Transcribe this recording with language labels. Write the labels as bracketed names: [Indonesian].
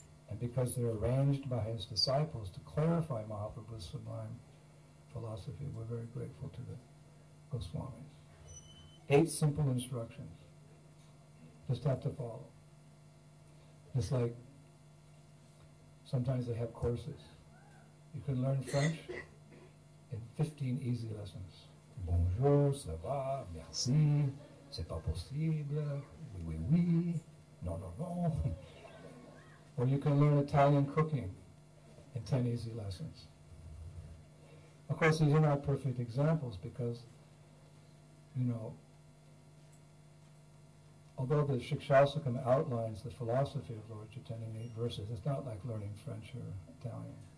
[English] And because they're arranged by his disciples to clarify Mahaprabhu's sublime philosophy, we're very grateful to the Goswamis. Eight simple instructions. Just have to follow. It's like sometimes they have courses. You can learn French in 15 easy lessons. [French] Bonjour, ça va, merci, c'est pas possible, oui, oui, oui, non, non, non. [English] Or you can learn Italian cooking in 10 easy lessons. Of course, these are not perfect examples because, you know, although the Shikshasakam outlines the philosophy of Lord Chaitanya in 8 verses, it's not like learning French or Italian.